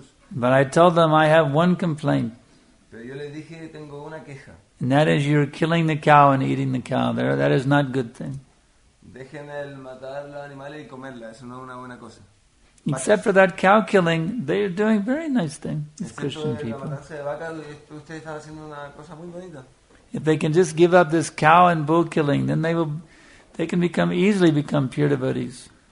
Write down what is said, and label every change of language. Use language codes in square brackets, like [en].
[en] But I told them I have one complaint. [es] Pero yo les dije, tengo una queja. [en] And that is you're killing the cow and eating the cow. That is not good thing. [es] Dejen el matar los animales y comerla. Eso no es una buena cosa. [en] Except for that cow killing, they are doing very nice thing, these Christian [es] de [en] people. [es] La matanza de vaca, ustedes están haciendo una cosa muy bonita. [en] If they can just give up this cow and bull killing, then they can become easily become pure devotees.